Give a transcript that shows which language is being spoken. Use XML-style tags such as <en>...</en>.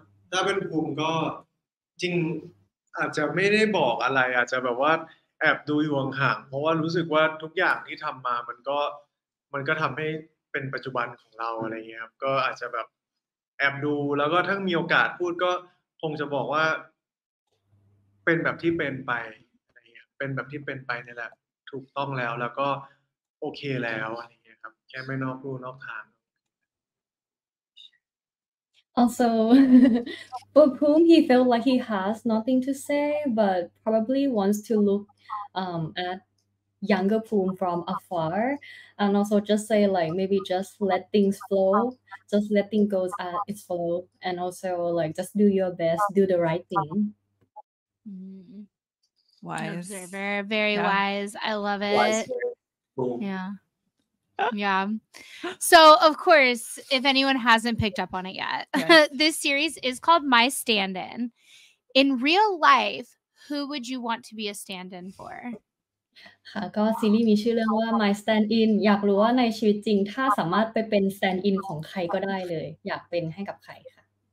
<th>ถ้าเป็นภูมิก็จริงอาจจะไม่ได้บอกอะไรอาจจะแบบว่าแอบดูอยู่ห่างเพราะว่ารู้สึกว่าทุกอย่างที่ทำมามันก็ทำให้เป็นปัจจุบันของเราอะไรเงี้ยครับก็อาจจะแบบแอบดูแล้วก็ถ้ามีโอกาสพูดก็คงจะบอกว่าเป็นแบบที่เป็นไปอะไรเงี้ยเป็นแบบที่เป็นไปนี่แหละถูกต้องแล้วแล้วก็โอเคแล้วอะไรเงี้ยครับแค่ไม่นอกลู่นอกทาง</th> <en>Also for whom he felt like he has nothing to say but probably wants to look atYounger Poom from afar, and also just say like maybe just let things flow, just let things go as it flow, and also like just do your best, do the right thing. Wise, very, very wise. I love it. Yeah. So of course, if anyone hasn't picked up on it yet, this series is called My Stand-In. In real life, who would you want to be a stand-in for?</en> <th>ค่ะก็ซีรีส์มีชื่อเรื่องว่า My Stand In อยากรู้ว่าในชีวิตจริงถ้าสามารถไปเป็น Stand In ของใครก็ได้เลยอยากเป็นให้กับใครค่ะ</th>